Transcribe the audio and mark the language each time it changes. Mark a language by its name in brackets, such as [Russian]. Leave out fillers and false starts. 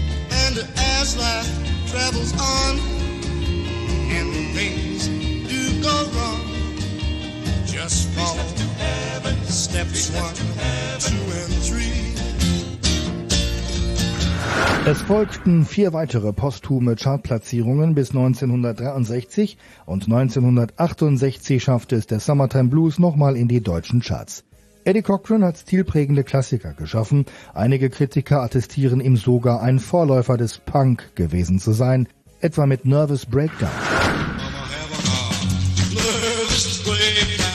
[English] And as life travels on and things do go wrong, just follow steps 1, 2, and 3. [German] Es folgten 4 weitere posthume Chartplatzierungen bis 1963 und 1968 schaffte es der Summertime Blues nochmal in die deutschen Charts. Eddie Cochran hat stilprägende Klassiker geschaffen. Einige Kritiker attestieren ihm sogar, ein Vorläufer des Punk gewesen zu sein, etwa mit Nervous Breakdown. [English] Mama, have a nervous breakdown.